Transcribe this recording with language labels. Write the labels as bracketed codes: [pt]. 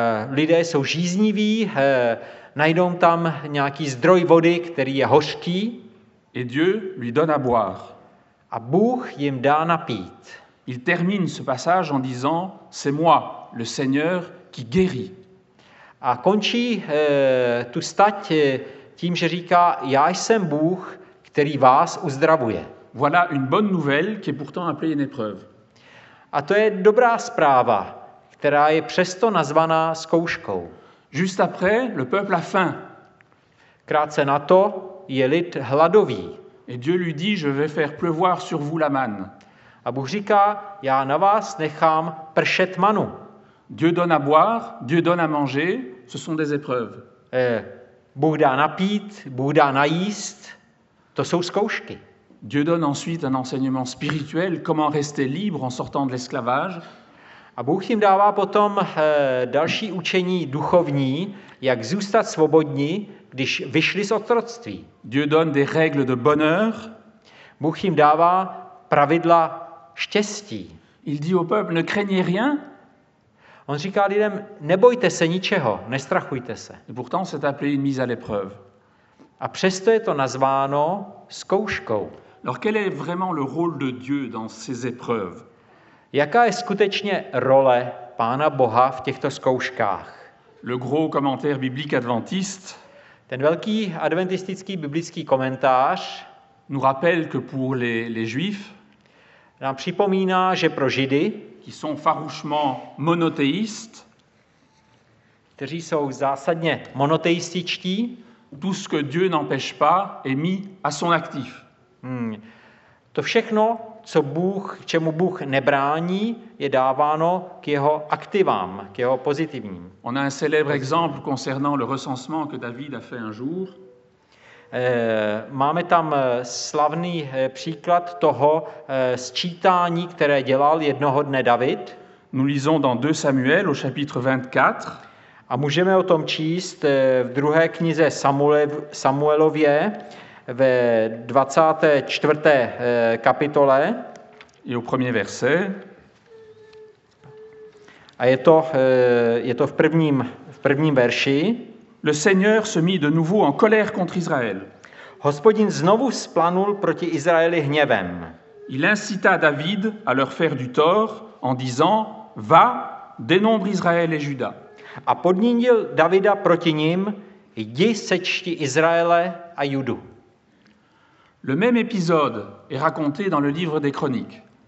[cs] Lidé jsou žízniví, najdou tam nějaký zdroj vody, který je hořký. [fr] Et Dieu lui donne à boire. [cs] A Bůh jim dá napít. [fr] Il termine ce passage en disant, c'est moi, le Seigneur, qui guérit. [cs] A končí tu stať tím, že říká, já jsem Bůh, který vás uzdravuje. [fr] Voilà une bonne nouvelle qui est pourtant appelée une épreuve. [cs] A to je dobrá zpráva, která je přesto nazvaná zkouškou. [fr] Juste après, le peuple a faim. [cs] Krátce na to je lid hladový. [fr] Et Dieu lui dit, je vais faire pleuvoir sur vous la manne. [cs] A Bůh říká, já na vás nechám pršet manu. [fr] Dieu donne à boire, Dieu donne à manger, ce sont des épreuves. [cs] Bůh dá napít, Bůh dá najíst. To jsou zkoušky. [fr] Dieu donne ensuite un enseignement spirituel, comment rester libre en sortant de l'esclavage. [cs] A Bůh jim dává potom další učení duchovní, jak zůstat svobodní, když vyšli z otroctví. [fr] Dieu donne des règles de bonheur. [cs] Bůh jim dává pravidla štěstí. [fr] Il dit au peuple, ne craignez rien. [cs] On říká lidem, nebojte se ničeho, nestrachujte se. [fr] Pourtant, c'est appelé une mise à l'épreuve. [cs] A přesto je to nazváno zkouškou. [fr] Alors, quel est vraiment le rôle de Dieu dans ces épreuves? [cs] Jaká je skutečně role Pána Boha v těchto zkouškách? [fr] Le gros commentaire biblique adventiste, [cs] ten velký adventistický biblický komentář, [fr] nous rappelle que pour les juifs, [cs] nám připomíná, že pro Židy, [fr] qui sont farouchement monothéistes, [cs] kteří jsou zásadně monoteističtí, [fr] tout ce que Dieu n'empêche pas est mis à son actif. [cs] To všechno, co Bůh, čemu Bůh nebrání, je dáváno k jeho aktivám, k jeho pozitivním. [fr] On a un célèbre exemple concernant le recensement que David a fait un jour. [cs] Máme tam slavný příklad toho sčítání, které dělal jednoho dne David. [fr] Nous lisons dans 2 Samuel au chapitre 24. [cs] A můžeme o tom číst v druhé knize Samuelově ve 24. kapitole. [fr] Et au premier verset. [cs] A je to v prvním verši. [fr] Le Seigneur se mit de nouveau en colère contre Israël. [cs] Hospodin znovu splanul proti Izraeli hněvem. [fr] Il incita David à leur faire du tort en disant: va, dénombre Israël et Juda. [cs] A podnítil Davida proti ním: jdi, sečti Izraele a Judu. [fr] Le même épisode est raconté dans le livre des Chroniques.